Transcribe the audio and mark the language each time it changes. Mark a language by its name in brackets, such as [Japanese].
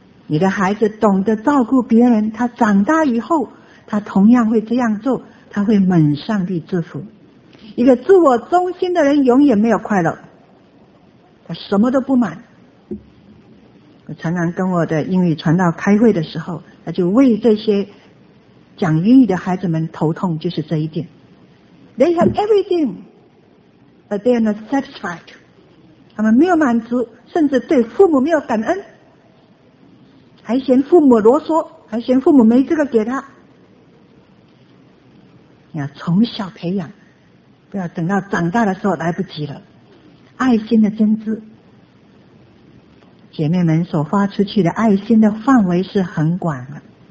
[Chinese] 你的孩子懂得照顾别人，他长大以后他同样会这样做，他会蒙上帝祝福。一个自我中心的人永远没有快乐，他什么都不满。我常常跟我的英语传道开会的时候，他就为这些讲英语的孩子们头痛，就是这一点。 [English] They have everythingBut they are not satisfied. [Chinese] 他们没有满足，甚至对父母没有感恩，还嫌父母啰嗦，还嫌父母没这个给他。你要从小培养，不要等到长大的时候来不及了。爱心的真知，姐妹们所发出去的爱心的范围是很广的。